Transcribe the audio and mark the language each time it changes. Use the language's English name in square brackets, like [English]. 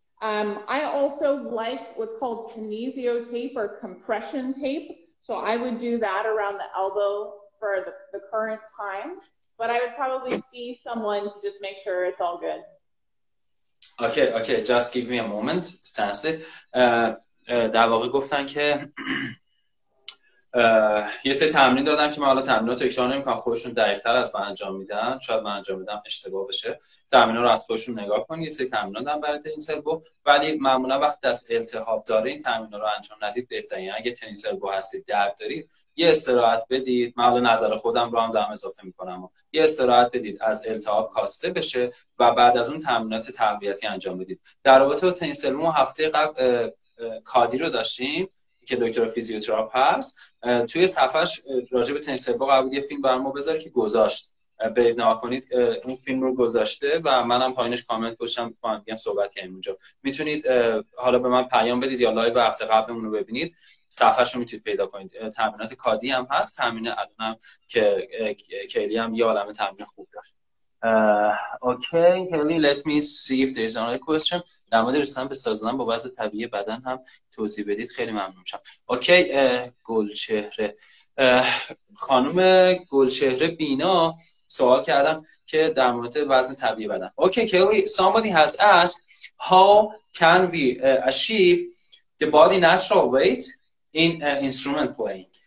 [English] I also like what's called kinesio tape or compression tape. So I would do that around the elbow for the current time, but I would probably see someone to just make sure it's all good. Okay. Just give me a moment to translate. [Persian] در واقع گفتن که یه سری تمرین دادن که من حالا تمرین رو تکرار نمی‌کنم، خودشون دقیق‌تر از من انجام میدن، شاید من انجام بدم اشتباه بشه، تمرین رو از خودشون نگاه کن، یه سری تمرین دادن برای این سلبو، ولی معمولا وقت دست التهاب داره این تمرین رو انجام ندید بهتره. اگه تنیس سلبو هستید، درد دارید، یه استراحت بدید، من حالا نظر خودم رو هم دارم اضافه میکنم، یه استراحت بدید از التهاب کاسته بشه و بعد از اون تمرینات تقویتی انجام بدید. در رابطه با تنیس سلبو هفته قبل کادی رو داشتیم که دکتر فیزیوتراپ هست، توی صفحش راجع به تنیس سلبو قرار بود یه فیلم برام بذاره که گذاشت، برید نگاه کنید، اون فیلم رو گذاشته و منم پایینش کامنت گذاشتم با هم دیگه صحبت کردیم اونجا. میتونید حالا به من پیام بدید یا لایو هفته قبلمون رو ببینید، صفحش رو میتونید پیدا کنید. تمرینات کادی هم هست، تمرین الانم که کیلی هم یه عالمه تمرین خوب داشت. [English] Okay, Kayleigh, let me see if there is another question. [Persian] در مورد رسیدن به سازنم با وضع طبیعی بدن هم توضیح بدید، خیلی ممنون شم. Okay, گلچهره. خانم گلچهره بینا سوال کردم که در مورد وضع طبیعی بدن. [English] Okay, Kayleigh, somebody has asked, how can we achieve the body natural weight in instrument playing?